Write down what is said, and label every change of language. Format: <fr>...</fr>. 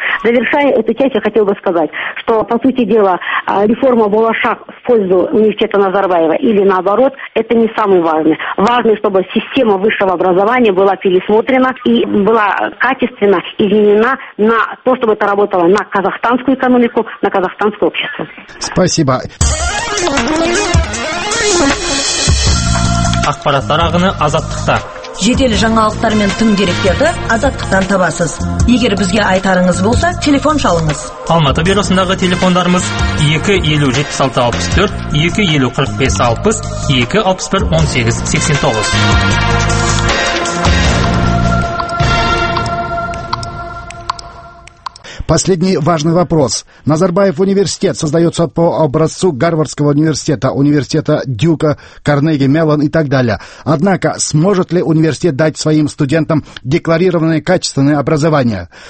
<ru>Завершая эту часть, я хотела бы сказать, что, по сути дела, реформа была шаг в пользу университета Назарбаева или наоборот, это не самое важное. Важно, чтобы система высшего образования была пересмотрена и была качественно изменена на то, чтобы это работало на казахстанскую экономику, на казахстанское общество. Спасибо.</ru> <kk>Ақпарат тарағыны Азаттықта. Жедел жаңалықтар мен тың деректерді Азаттықтан табасыз. Егер бізге айтарыңыз болса, телефон шалыңыз. Алматы бюросындағы телефондарымыз 2-50-76-64, 2-50-45-60, 2-61-18-89.</kk> <ru>Последний важный вопрос. Назарбаев университет создается по образцу Гарвардского университета, университета Дюка, Карнеги, Меллон и так далее. Однако, сможет ли университет дать своим студентам декларированное качественное образование?</ru>